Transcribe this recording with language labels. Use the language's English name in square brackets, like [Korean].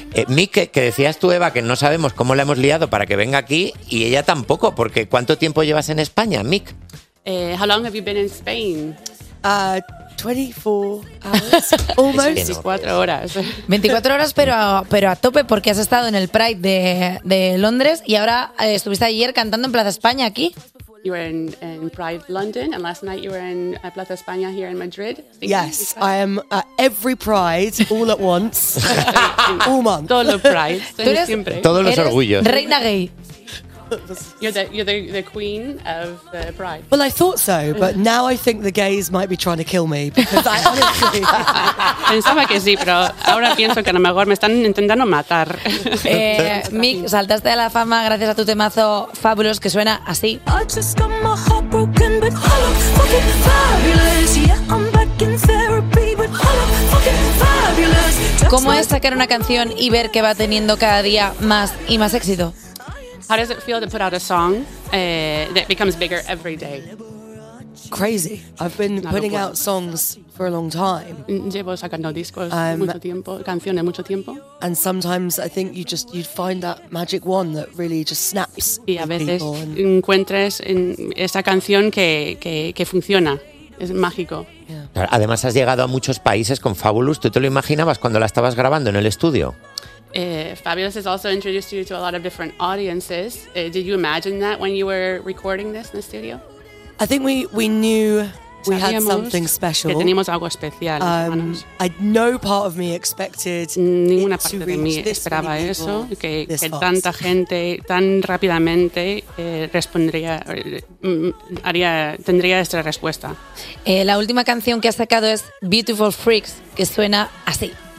[Spanish] Mick, que decías tú, Eva, que no sabemos cómo la hemos liado para que venga aquí, y ella tampoco, porque ¿cuánto tiempo llevas en España, Mick? [English] How long have you been in Spain? 24 hours, almost [Spanish] 24 horas. 24 horas, pero a tope, porque has estado en el Pride de Londres y ahora estuviste ayer cantando en Plaza España aquí. [English] You were in Pride London, and last night you were in Plaza España here in Madrid. Yes, I am at every Pride all at once. All month. [Spanish] Todos los Prides. Todos los orgullos. Reina gay. [English] You're the queen of the Pride. Well, I thought so, but now I think the gays might be trying to kill me. [Spanish] Pensaba que sí, pero ahora pienso que a lo mejor me están intentando matar. Mick, saltaste a la fama gracias a tu temazo Fabulous, que suena así. [English] I just got my heart broken, but I look fucking fabulous. Yeah, I'm back in therapy, but I look fucking fabulous. [Spanish] ¿Cómo es sacar una canción y ver que va teniendo cada día más y más éxito? [English] How does it feel to put out a song that becomes bigger every day? Crazy. I've been putting out songs for a long time. [Spanish] Llevo sacando discos mucho tiempo, canciones mucho tiempo. [English] And sometimes I think you'd find that magic one that really just snaps. [Spanish] Y a veces encuentres en esa canción que funciona. Es mágico. [English] Yeah. [Spanish] Además has llegado a muchos países con Fabulous. ¿Tú te lo imaginabas cuando la estabas grabando en el estudio? [English] Fabulous has also introduced you to a lot of different audiences. Did you imagine that when you were recording this in the studio? I think we knew we had something special. [Spanish] Que teníamos algo especial. [English] No part of me expected [Spanish] ninguna parte de mí esperaba eso, que tanta gente tan rápidamente tendría esta respuesta. La última canción que has sacado es Beautiful Freaks, que suena así.